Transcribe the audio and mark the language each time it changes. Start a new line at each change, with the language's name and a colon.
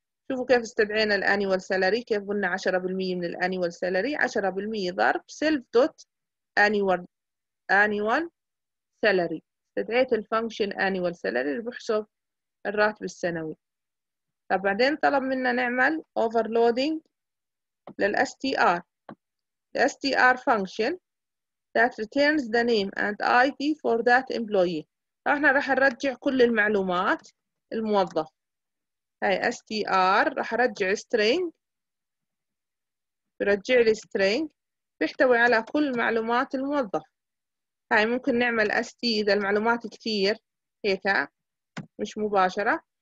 Arabic: شوفوا كيف استدعينا الانيوال سالري. كيف قلنا 10% من الانيوال سالري 10% ضرب سيلف دوت انيوال سالري. استدعيت الفانكشن annual salary اللي بحسب الراتب السنوي. طب بعدين طلب منا نعمل overloading لل str.
English: ال str function that returns the name and ID for that employee.
Arabic: احنا راح نرجع كل المعلومات الموظف. هاي str راح ارجع string. برجع لي string بيحتوي على كل معلومات الموظف. هاي ممكن نعمل ST إذا المعلومات كثير هيك مش مباشرة.